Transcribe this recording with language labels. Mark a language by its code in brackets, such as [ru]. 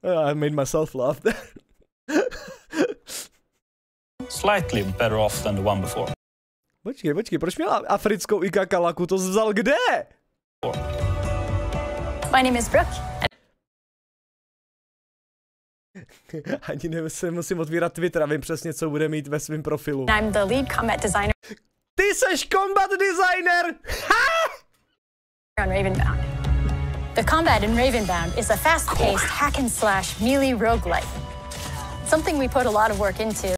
[en] I made myself laugh there. Slightly better off than the one before. [cs] Počkej, proč měla africkou ikakalaku, to vzal kde? [en] My name is Brooke. [cs] Ani nemusím otvírat Twitter a vím přesně, co bude mít ve svém profilu. [en] I'm the lead combat designer. [cs] Ty seš combat designer! [en] On Ravenbound. The combat in Ravenbound is a fast-paced hack and slash melee roguelike. Something we put a lot of work into.